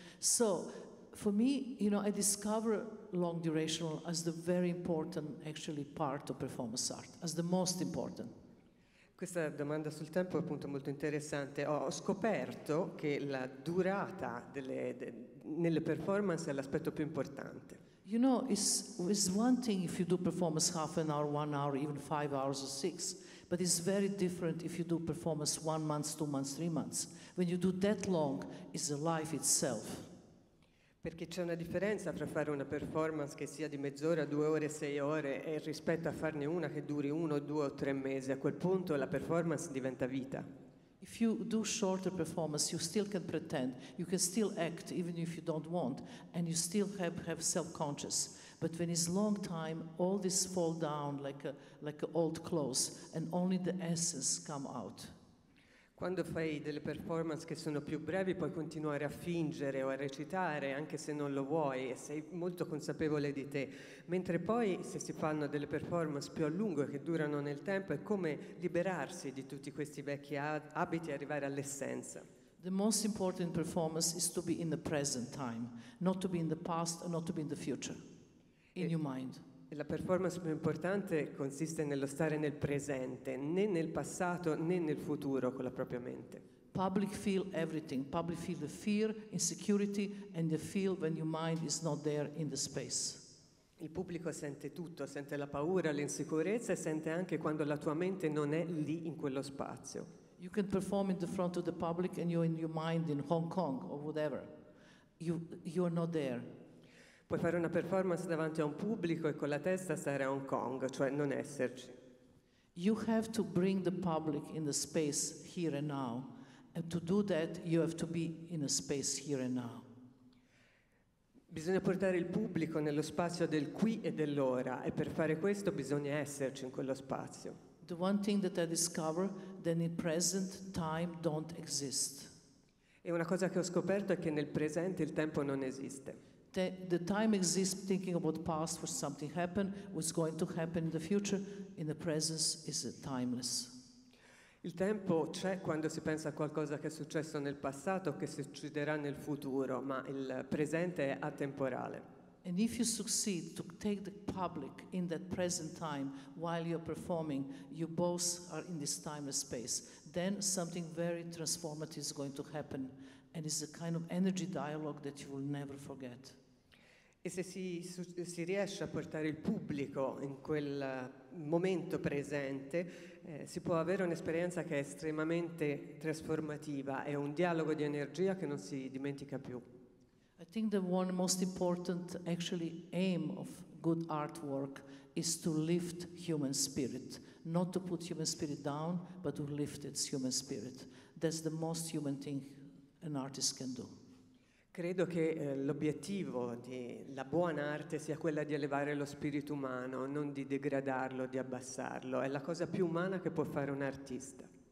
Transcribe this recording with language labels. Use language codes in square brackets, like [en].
[en] So, for me, you know, I discover long duration as the very important, actually, part of performance art, as the most important. [it] Questa domanda sul tempo è appunto molto interessante. Ho scoperto che la durata nelle performance è l'aspetto più importante. [en] You know, it's one thing if you do performance half an hour, 1 hour, even 5 hours or six, but it's very different if you do performance 1 month, 2 months, 3 months. When you do that long, it's a life itself. [it] Perché c'è una differenza tra fare una performance che sia di mezz'ora, 2 ore, 6 ore e rispetto a farne una che duri 1, 2 o 3 mesi. A quel punto la performance diventa vita. [en] If you do shorter performance, you still can pretend, you can still act even if you don't want, and you still have self-conscious. But when it's long time, all this fall down like a old clothes, and only the essence come out. [it] Quando fai delle performance che sono più brevi puoi continuare a fingere o a recitare anche se non lo vuoi e sei molto consapevole di te, mentre poi se si fanno delle performance più a lungo che durano nel tempo è come liberarsi di tutti questi vecchi abiti e arrivare all'essenza. [en] The most important performance is to be in the present time, not to be in the past and not to be in the future, in your mind. [it] La performance più importante consiste nello stare nel presente, né nel passato né nel futuro con la propria mente. [en] Public feel everything. Public feel the fear, insecurity, and the feel when your mind is not there in the space. [it] Il pubblico sente tutto, sente la paura, l'insicurezza e sente anche quando la tua mente non è lì in quello spazio. [en] You can perform in the front of the public and you're in your mind in Hong Kong or whatever. You're not there. [it] Puoi fare una performance davanti a un pubblico e con la testa stare a Hong Kong, cioè non esserci. [en] You have to bring the public in the space here and now. And to do that, you have to be in a space here and now. [it] Bisogna portare il pubblico nello spazio del qui e dell'ora, e per fare questo bisogna esserci in quello spazio. [en] The one thing that I discover that in present time don't exist. [it] E una cosa che ho scoperto è che nel presente il tempo non esiste. [en] The time exists thinking about past for something happened, what's going to happen in the future. In the presence is timeless. [it] Il tempo c'è quando si pensa a qualcosa che è successo nel passato o che succederà nel futuro, ma il presente è atemporale. [en] And if you succeed to take the public in that present time while you're performing, you both are in this timeless space, then something very transformative is going to happen. And it's a kind of energy dialogue that you will never forget. [it] E se si riesce a portare il pubblico in quel momento presente, si può avere un'esperienza che è estremamente trasformativa, è un dialogo di energia che non si dimentica più. [en] I think the one most important actually aim of good artwork is to lift human spirit, not to put human spirit down, but to lift its human spirit. That's the most human thing an artist can do. [it] Credo che l'obiettivo della buona arte sia quella di elevare lo spirito umano, non di degradarlo, di abbassarlo. È la cosa più umana che può fare un artista.